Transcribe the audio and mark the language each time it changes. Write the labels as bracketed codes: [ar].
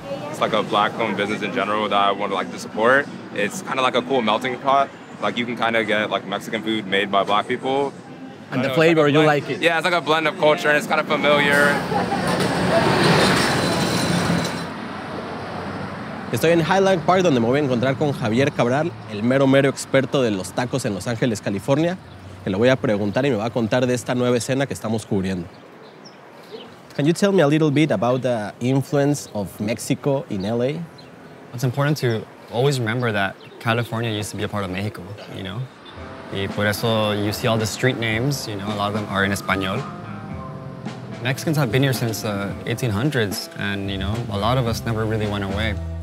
[en] It's like a black-owned business in general that I want to like to support. It's kind of like a cool melting pot. Like you can kind of get like Mexican food made by black people. And the flavor, you like it? Yeah, it's like a blend of culture and it's kind of familiar. [es] Estoy en Highland Park donde me voy a encontrar con Javier Cabral, el mero mero experto de los tacos en Los Ángeles, California. Que lo voy a preguntar y me va a contar de esta nueva escena que estamos cubriendo. [en] Can you tell me a little bit about the influence of Mexico in LA? It's important to always remember that California used to be a part of Mexico, you know? [es] Y por eso [en] you see all the street names, you know, a lot of them are in Español. Mexicans have been here since the 1800s and, you know, a lot of us never really went away.